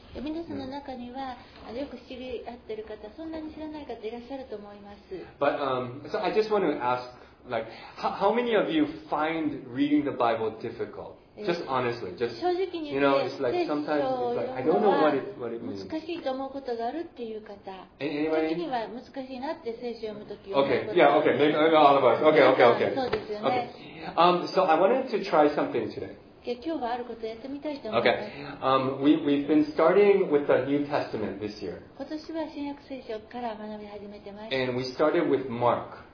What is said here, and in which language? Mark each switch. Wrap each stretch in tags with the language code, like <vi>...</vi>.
<en>But so I just want to ask. Like, how many of you find reading the Bible difficult? Just honestly, just, you know, it's like sometimes it's like, I don't know what it means.</en> <ja>難しいと思うことがあるっていう方。</ja> <en>Anyway?</en> <ja>時には難しいなって聖書を読むときは。</ja> <en>Okay, yeah, okay, maybe all of us. Okay.</en> <ja>そうですよね。</ja> <en>Okay. So I wanted to try something today. Okay. We've been starting with the New Testament this year. And we started with Mark.</en>